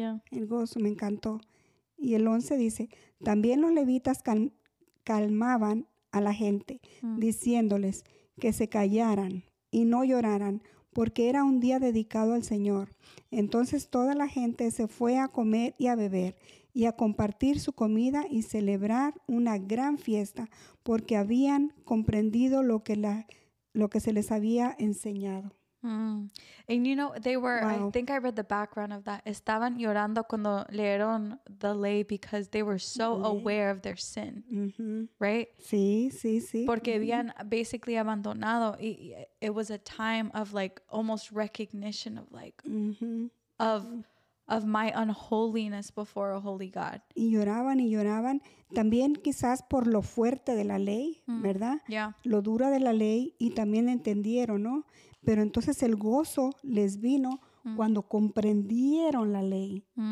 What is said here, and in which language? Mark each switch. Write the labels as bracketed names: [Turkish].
[Spanish] El gozo, me encantó. Y el 11 dice, también los levitas calmaban a la gente, diciéndoles que se callaran y no lloraran, porque era un día dedicado al Señor. Entonces toda la gente se fue a comer y a beber y a compartir su comida y celebrar una gran fiesta, porque habían comprendido lo que se les había enseñado. [English] And you know, they were, I think I read the background of that. [Spanish] Estaban llorando cuando leyeron [English] the ley because they were so aware of their sin. Right? [Spanish] Sí, sí, sí. Porque habían basically abandonado. [English] It was a time of like almost recognition of like, of my unholiness before a holy God. [Spanish] Y lloraban y lloraban. También quizás por lo fuerte de la ley, ¿verdad? [English] Yeah. [Spanish] Lo dura de la ley, y también entendieron, ¿no? Pero entonces el gozo les vino cuando comprendieron la ley.